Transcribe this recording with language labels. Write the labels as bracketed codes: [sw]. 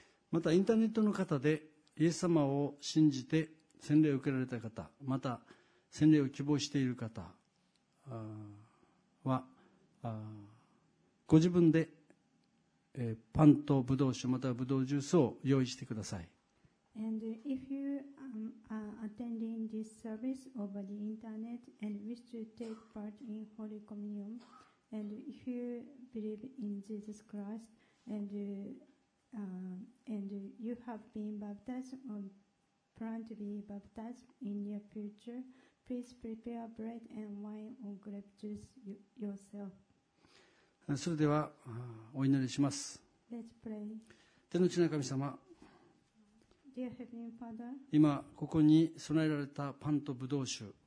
[ja] またインターネットの方でイエス様を信じて洗礼を受けられた方、また洗礼を希望している方はご自分でパンとブドウ酒、またはブドウジュースを用意してください。 [en] And if you are attending this service over the internet and wish to take part in Holy Communion, and if you believe in Jesus Christ and you have been baptized or plan to be baptized in your future,Please prepare bread and wine or grape juice yourself. [ja] それでは、お祈りします。 [en] Let's pray. [ja] 天の父なる神様、 [en] Dear Heavenly Father, [ja] 今ここに備えられたパンとブドウ酒、